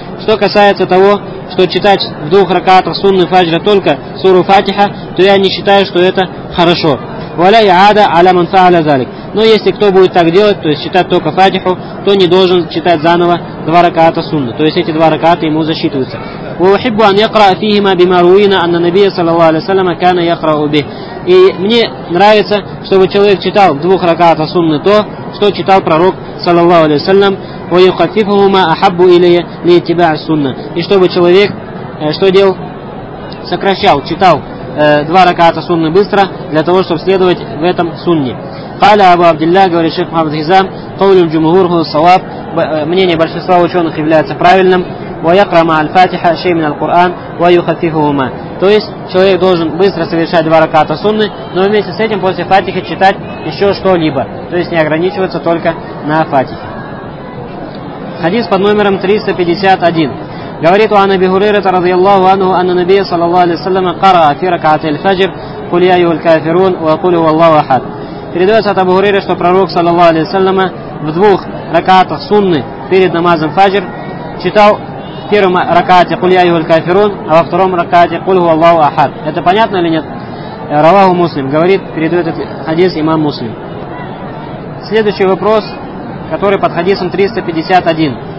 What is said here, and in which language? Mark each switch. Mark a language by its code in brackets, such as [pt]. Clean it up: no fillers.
[ru] Что касается того, что читать в двух ракатах сунны фаджра только суру фатиха, то я не считаю, что это хорошо. [ar] «Валя иада аля манфа аля залик». [ru] Но если кто будет так делать, то есть читать только фатиху, то не должен читать заново два раката сунны. То есть эти два раката ему засчитываются. [ar] وأحب أن يقرأ فيهما بما روينا أن النبي صلى الله عليه وسلم كان يقرأ به. [ru] И мне нравится, чтобы человек читал в двух раката сунны то, что читал пророк صلى الله عليه وسلم. [ar] ويخففهما أحب إليه لاتباع السنة. [ru] И чтобы человек что делал, сокращал, читал два раката сунны быстро для того, чтобы следовать в этом сунне. [ar] قال أبو عبد الله [ru] говорит шейх Мухаммад Хизам [ar] قول الجمهور هو الصواب. [ru] Мнение большинства ученых является правильным. [ar] ويقرأ مع الفاتحة شيء من القرآن ويخففهما. [ru] То есть человек должен быстро совершать два раката сунны, но вместе с этим после фатихи читать еще что-либо. То есть не ограничиваться только на фатихе. Хадис под номером 351. Говорит у Анаби Хурайрата [ar] رضي الله عنه أن النبي صلى الله عليه وسلم قرأ في ركعتي الفجر قل يا أيها الكافرون وقل هو الله أحد. [ru] Передается от Абу Хурайры, что пророк صلى الله عليه وسلم в двух ракатах сунны перед намазом фаджр читал в первом ракате [ar] «Куль я юль кафирун», [ru] а во втором ракате [ar] «Куль ху Аллаху ахад». [ru] Это понятно или нет? [ar] Раваху Муслим. [ru] Говорит, передает этот хадис имам Муслим. Следующий вопрос, который под хадисом 351.